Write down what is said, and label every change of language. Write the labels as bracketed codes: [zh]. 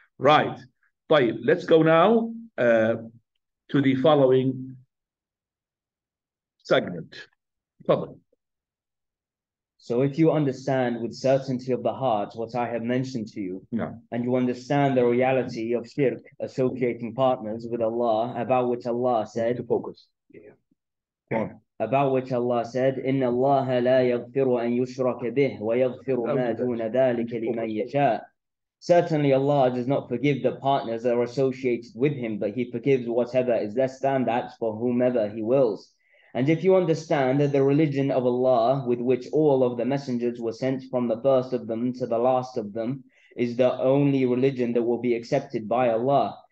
[en] Right. طيب, let's go now to the following segment. So if you understand with certainty of the heart what I have mentioned to you, and you understand the reality of shirk, associating partners with Allah, about which Allah said, to focus. About which Allah said, [ar] إِنَّ اللَّهَ لَا يَغْفِرُ أَنْ يُشْرَكَ بِهِ وَيَغْفِرُ مَا دُونَ ذَلِكَ لِمَنْ يَشَاءُ. [en] Certainly Allah does not forgive the partners that are associated with Him, but He forgives whatever is less than that for whomever He wills. And if you understand that the religion of Allah, with which all of the messengers were sent from the first of them to the last of them, is the only religion that will be accepted by Allah.